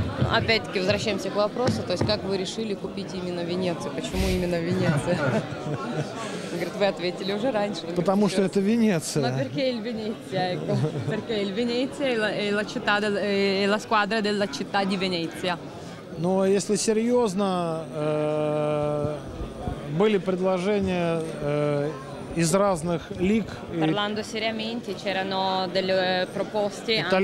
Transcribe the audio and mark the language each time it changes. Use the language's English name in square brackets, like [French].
[Russian] Опять-таки возвращаемся к вопросу, то есть как вы решили купить именно Венецию? Почему именно Венецию? Он говорит, вы ответили уже раньше. Потому что это Венеция. [Italian] Но perché il Venezia è la città, è la squadra della città di Venezia. [Russian] Но если серьезно, были предложения из разных лиг. [Italian] Parlando seriamente, c'erano delle proposte